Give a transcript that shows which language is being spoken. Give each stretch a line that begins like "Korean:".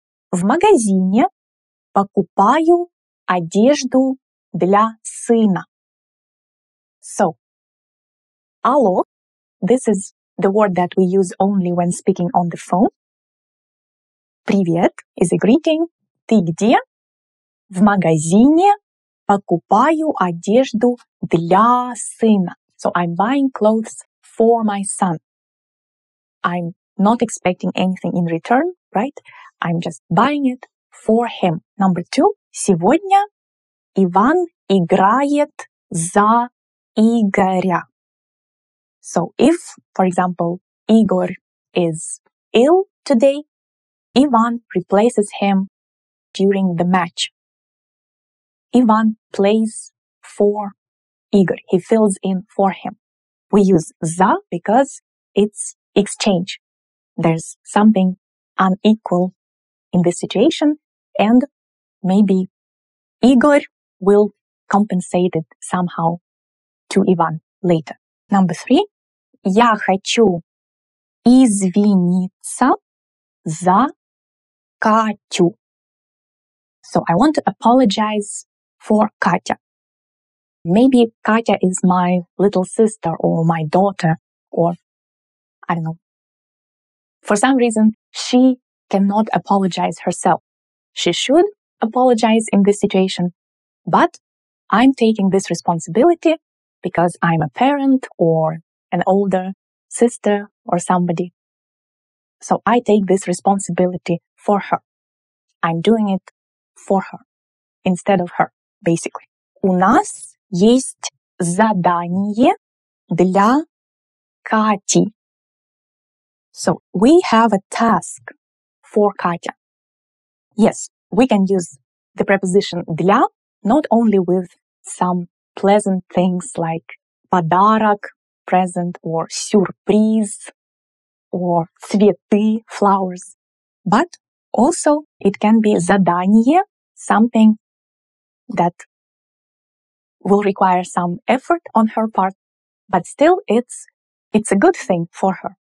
Russian: В магазине покупаю одежду для сына.
English: So, алло, this is the word that we use only when speaking on the phone. Привет is a greeting.
Russian: Ты где? В магазине покупаю одежду для сына.
English: So I'm buying clothes for my son. I'm not expecting anything in return, right? I'm just buying it for him. Number two.
Russian: Сегодня Иван играет за Игоря.
English: So if, for example, Igor is ill today, Иван replaces him during the match. Иван plays for Igor. He fills in for him. We use за because it's exchange. There's something unequal in this situation, and maybe Igor will compensate it somehow to Иван later. Number three.
Russian: Я хочу извиниться за Катю.
English: So I want to apologize for Катя. Maybe Катя is my little sister or my daughter, or I don't know. For some reason, she cannot apologize herself. She should apologize in this situation, but I'm taking this responsibility because I'm a parent or an older sister or somebody. So I take this responsibility for her. I'm doing it for her, instead of her, basically.
Russian: У нас есть задание для Кати.
English: So we have a task for Катя. Yes, we can use the preposition для not only with some pleasant things like подарок, present, or сюрприз, or цветы, flowers, but also it can be задание, something that will require some effort on her part, but still it's a good thing for her.